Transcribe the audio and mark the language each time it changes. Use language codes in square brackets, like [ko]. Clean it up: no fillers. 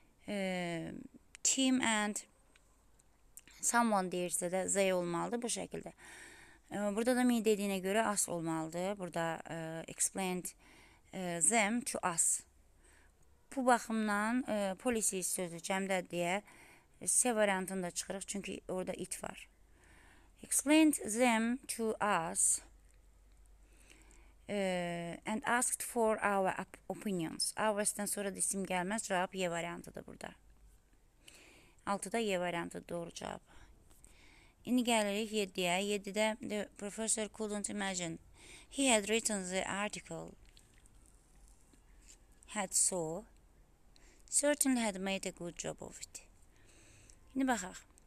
[az] Tim and someone deyirsə də they olmalıdır bu şəkildə. Burada da me dediyinə görə us olmalıdır. Burada [en] explained them to us. [az] Bu baxımdan policies sözü cəmdə deyə C variantını da çıxırıq. Çünki orada it var. [en] Explained them to us and asked for our opinions. [az] Our-dan sonra isim gəlməz. Cavab Y variantıdır burada. 6-da Y variantı doğru cavab. İndi gəlirik 7-yə. 7-də [en] the professor couldn't imagine. He had written the article. Had so. Certainly had made a good job of it. [az] İndi baxaq.